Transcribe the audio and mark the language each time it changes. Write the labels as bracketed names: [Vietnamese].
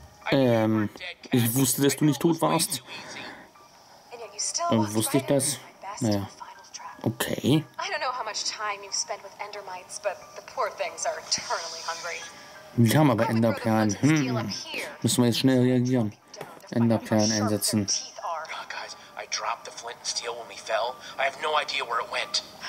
[German] Ich wusste, dass du nicht tot warst. Und wusste ich das? Naja. Okay. [English] I don't know how much time you've spent with Endermites, but the poor things are eternally hungry. [German] Wir haben aber Enderperlen. Müssen wir jetzt schnell reagieren. Enderperlen einsetzen. [English] Oh, guys, I dropped the flint and steel when we fell. I have no idea where it went.